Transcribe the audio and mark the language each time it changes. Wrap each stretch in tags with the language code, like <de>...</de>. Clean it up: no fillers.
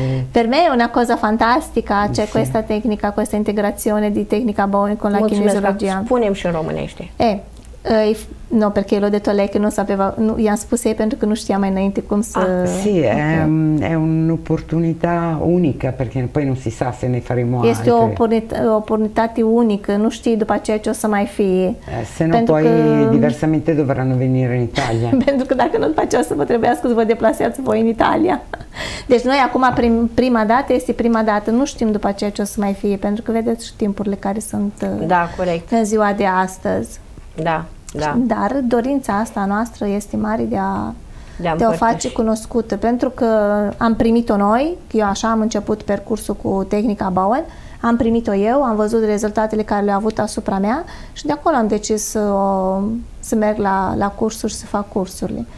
<it>Per me è una cosa fantastica, c'è sì. Questa tecnica, questa integrazione di tecnica Bowen con la kinesiologia.</it> <ro>Spunem-și în românește.</ro> <it>No, perché l'ho detto a lei che non sapeva,</it> <ro>nu, i-am spus ei pentru că nu știa mai înainte cum să...</ro> <it>Sì, okay. È un'opportunità unica, perché poi non si sa se ne faremo altre.</it> <ro>Este o oportunitate unică, nu știi după aceea ce o să mai fie.</ro> <it>Se nu poi, diversamente dovranno venire in Italia.</it> <ro>Pentru că dacă nu după aceea o să vă trebuiască să vă deplaseați voi în Italia. Deci noi acum, prima dată, nu știm după aceea ce o să mai fie, pentru că vedeți și timpurile care sunt da, corect. În ziua de astăzi. Da, da. Dar dorința asta noastră este mare de a o face cunoscută, pentru că am primit-o noi, eu așa am început percursul cu tehnica Bowen, am primit-o eu, am văzut rezultatele care le-au avut asupra mea și de acolo am decis să merg la cursuri și să fac cursurile.</ro>